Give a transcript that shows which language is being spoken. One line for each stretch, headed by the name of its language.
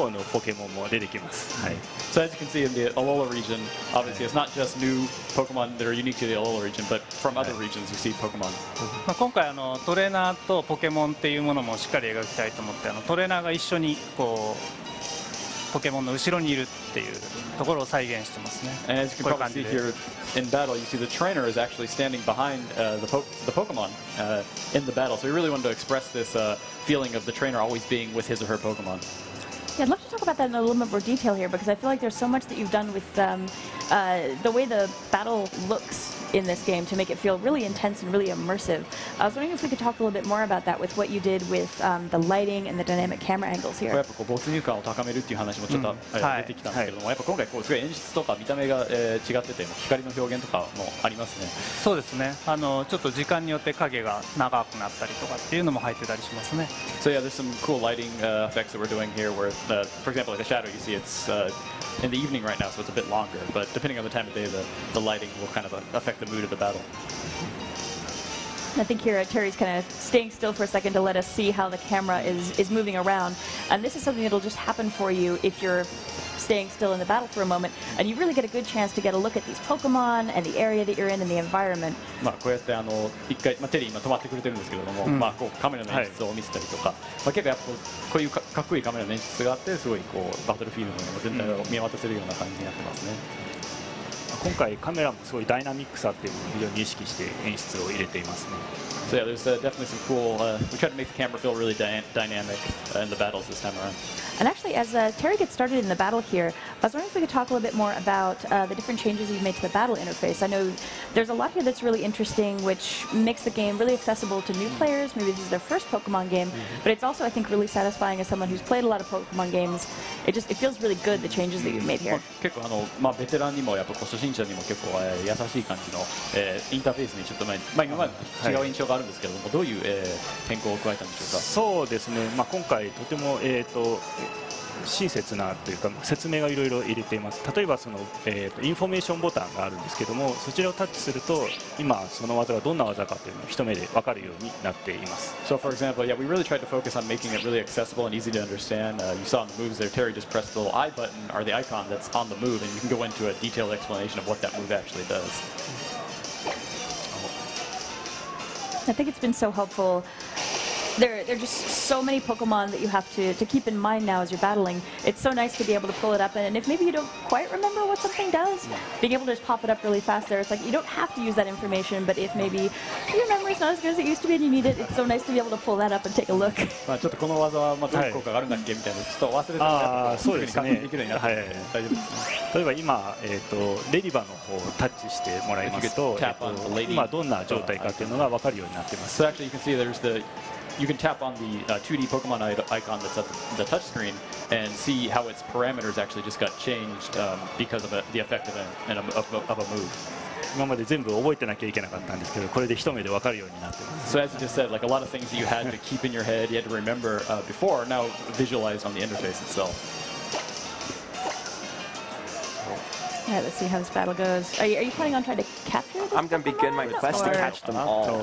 English: So as you can see in the Alola region, obviously it's not just new Pokemon that are unique to the Alola region, but from other regions you see Pokemon.
Japanese: まあ今回あのトレーナーとポケモンっていうものもしっかり描きたいと思って、あのトレーナーが一緒にこうポケモンの後ろにいるっていうところを再現してますね。
English: And as you can probably see here in battle, you see the trainer is actually standing behind the Pokemon in the battle. So we really wanted to express this feeling of the trainer always being with his or her Pokemon. Yeah, I'd love to talk about that in a little bit more detail here because I feel like there's so much that you've done with the way the battle looks in this game to make it feel really intense and really immersive. I was wondering if we could talk a little bit more about that with what you did with the lighting and the dynamic camera angles here.
Japanese: やっぱこう没入感を高めるっていう話もちょっと出てきたんですけども、やっぱ今回こうすごい演出とか見た目が違ってて、光の表現とかもありますね。そうですね。あのちょっと時間によって影が長くなったりとかっていうのも入ってたりしますね。
English: So yeah, there's some cool lighting effects that we're doing here where, for example, like a shadow, you see it's in the evening right now, so it's a bit longer, but depending on the time of day, the lighting will kind of affect the mood of the battle. I think here Terry's kind of staying still for a second to let us see how the camera is moving around. And this is something that'll just happen for you if you're staying still in the battle for a moment. And you really get a good chance to get a look at these Pokemon and the area that you're in and the environment.
Japanese: まあこうやってあの一回、まあ、テリー今止まってくれてるんですけれども、まあこうカメラの演出を見せたりとか、まあ結構やっぱこういう かっこいいカメラの演出があって、すごいこうバトルフィールドの全体を見渡せるような感じになってますね。今回カメラもすごいダイナミックさっていうのを非常に意識して演出を入れていますね。
English: So yeah, there's definitely some cool. We try to make the camera feel really dynamic in the battles this time around. And actually, as Terry gets started in the battle here, I was wondering if we could talk a little bit more about the different changes you've made to the battle interface. I know there's a lot here that's really interesting, which makes the game really accessible to new players. Maybe this is their first Pokemon game, but it's also, I think, really satisfying as someone who's played a lot of Pokemon games. It feels really good, the changes that you've made here.
Japanese: 結構あのまあベテランにもやっぱ初心者にも結構優しい感じのインターフェースにちょっとまあ今まで違う印象があるんですけども、どういう変更を加えたんでしょうか。そうですね。まあ今回とても親切なというか説明がいろいろ入れています。例えばその、インフォメーションボタンがあるんですけども、そちらをタッチすると今その技がどんな技かというのを一目で分かるようになっています。
English: So for example, yeah, we really tried to focus on making it really accessible and easy to understand. You saw on the moves there, Terry just pressed the little I button or the icon that's on the move, and you can go into a detailed explanation of what that move actually does. I think it's been so helpful. There are just so many Pokemon that you have to keep in mind now as you're battling. It's so nice to be able to pull it up, and if maybe you don't quite remember what something does, being able to just pop it up really fast there, it's like you don't have to use that information, but if maybe your memory is not as good as it used to be and you need it, it's so nice to be able to pull that up and take a look.
Japanese: まあちょっとこの技はまあどういう効果があるんだっけみたいな、ちょっと忘れてた。ああ、そうですね。できるようになって、大丈夫です。例えば今レディバの方をタッチしてもらいますと、今どんな状態かっていうのが分かるようになってます。
English: So actually you can see there's theYou can tap on the 2D Pokemon icon that's at the touch screen and see how its parameters actually just got changed because of the effect of a move.
Japanese: 今まで全部覚えてなきゃいけなかったんですけど、これで一目で分かるようになってます。
English: So as you just said, like a lot of things you had to keep in your head, you had to remember before, now visualized on the interface itself. All right, let's see how this battle goes. Are you planning on trying to capture this? I'm going to begin my quest to catch them all.